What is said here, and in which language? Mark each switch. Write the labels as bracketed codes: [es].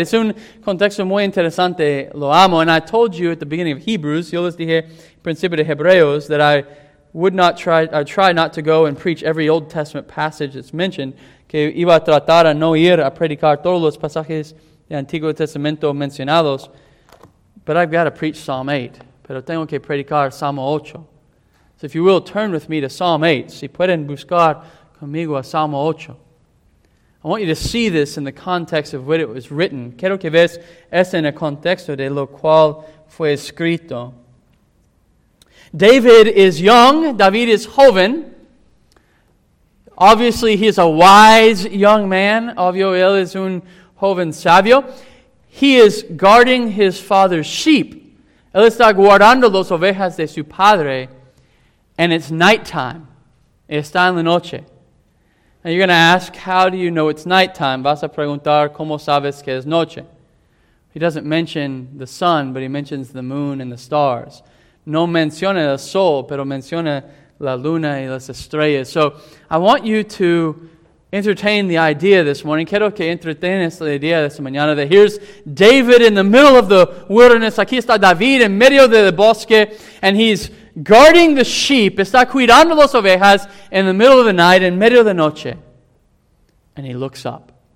[en] It's [es] un contexto muy interesante, lo amo. [en] And I told you at the beginning of Hebrews, [es] yo les dije, principio de Hebreos, [en] that I would not try, I try not to go and preach every Old Testament passage that's mentioned, [es] que iba a tratar a no ir a predicar todos los pasajes de Antiguo Testamento mencionados. [en] But I've got to preach Psalm 8, [es] pero tengo que predicar Salmo 8. [en] So if you will, turn with me to Psalm 8. [es] Si pueden buscar conmigo a Salmo 8. [en] I want you to see this in the context of what it was written. [es] Quiero que veas esto en el contexto de lo cual fue escrito. [en] David is young. David is joven. Obviously, he is a wise young man. [es] Obvio, él es un joven sabio. [en] He is guarding his father's sheep. [es] Él está guardando las ovejas de su padre. [en] And it's nighttime. [es] Está en la noche. [en] And you're going to ask, how do you know it's nighttime? [es] Vas a preguntar, ¿cómo sabes que es noche? [en] He doesn't mention the sun, but he mentions the moon and the stars. [es] No menciona el sol, pero menciona la luna y las estrellas. [en] So I want you to entertain the idea this morning. [es] Quiero que entretenes la idea de esta mañana [en] that here's David in the middle of the wilderness. [es] Aquí está David en medio del bosque, [en] and he's guarding the sheep, [es] está cuidando las ovejas [en] in the middle of the night, [es] en medio de la noche. [en] And he looks up.